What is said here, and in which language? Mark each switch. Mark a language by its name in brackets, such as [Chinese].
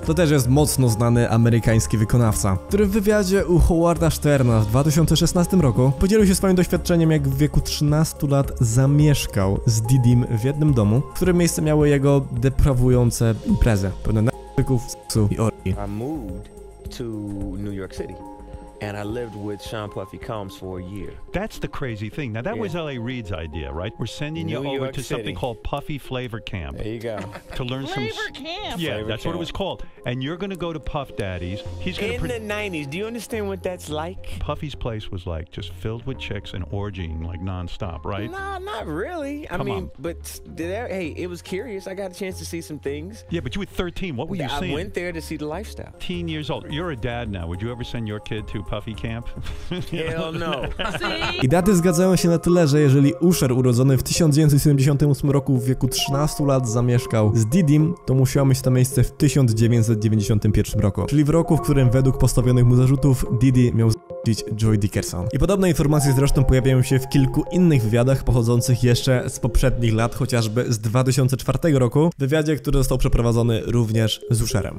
[Polish] To też jest mocno znany amerykański wykonawca, który w wywiadzie u Howarda Sterna w 2016 roku podzielił się swoim doświadczeniem, jak w wieku 13 lat zamieszkał z Diddym w jednym domu, w którym miejsce miały jego deprawujące imprezy, pełne narkotyków, seksu i orgii. [English] I moved to New York City. And I lived with Sean Puffy Combs for a year. That's the crazy thing. Now, that was L.A. Reid's idea, right? We're sending you over to something called Puffy Flavor Camp. There you go. To learn Flavor some... Flavor Camp. What it was called. And you're going to go to Puff Daddy's. He's gonna In the 90s. Do you understand what that's like? Puffy's place was, like, just filled with chicks and orgying, like, nonstop, right? No, not really. Come on. But, it was curious. I got a chance to see some things. Yeah, but you were 13. What were you seeing? I went there to see the lifestyle. 10 years old. You're a dad now. Would you ever send your kid to Puffy Camp? Hell no. [Polish] I daty zgadzają się na tyle, że jeżeli Usher urodzony w 1978 roku w wieku 13 lat zamieszkał z Didim, to musiało mieć to miejsce w 1991 roku, czyli w roku, w którym według postawionych mu zarzutów Didi miał z**cić Joy Dickerson. I podobne informacje zresztą pojawiają się w kilku innych wywiadach pochodzących jeszcze z poprzednich lat, chociażby z 2004 roku, wywiadzie, który został przeprowadzony również z Usherem.